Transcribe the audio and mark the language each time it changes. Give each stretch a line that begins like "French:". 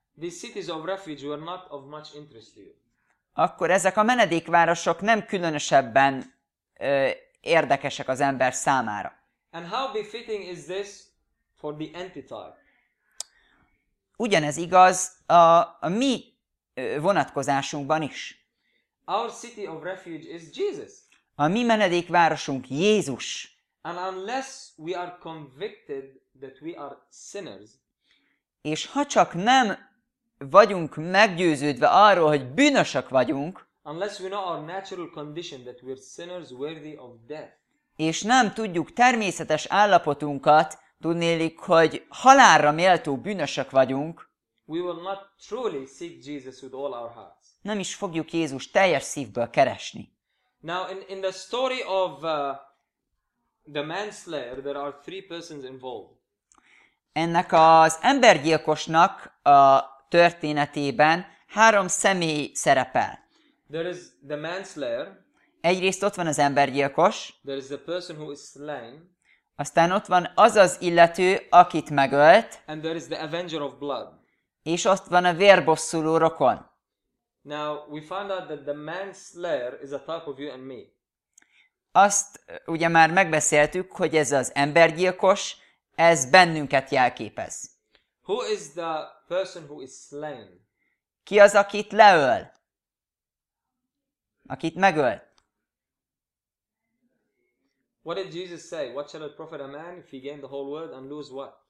English: these cities of refuge were not of much interest to you.
Hungarian: Akkor ezek a menedékvárosok nem különösebben érdekesek az ember számára.
English: And how befitting is this for the antitype?
Hungarian: Ugyanez igaz a mi vonatkozásunkban is.
English: Our city of refuge is Jesus.
Hungarian: A mi menedékvárosunk Jézus.
English: And unless we are convicted that we are sinners,
Hungarian: és ha csak nem vagyunk meggyőződve arról, hogy bűnösök vagyunk,
English: unless we know our natural condition that we're sinners worthy of death,
Hungarian: és nem tudjuk természetes állapotunkat, tudnélik, hogy halálra méltó bűnösök vagyunk,
English: we will not truly seek Jesus with all our hearts.
Hungarian: Nem is fogjuk Jézus teljes szívből keresni.
English: Now in the story of the manslayer there are three persons involved.
Hungarian: Ennek az embergyilkosnak a történetében három személy szerepel.
English: There is the manslayer.
Hungarian: Egyrészt ott van az embergyilkos.
English: There is the person who is slain.
Hungarian: Aztán ott van az az illető, akit megölt.
English: And there is the avenger of blood.
Hungarian: És ott van a vérbosszuló rokon.
English: Now we find out that the manslayer is a type of you and me.
Hungarian: Azt ugye már megbeszéltük, hogy ez az embergyilkos, ez bennünket jelképez.
English: Who is the person who is slain?
Hungarian: Ki az, akit leöl? Akit megöl?
English: What did Jesus say? What shall it profit a man if he gain the whole world and lose what?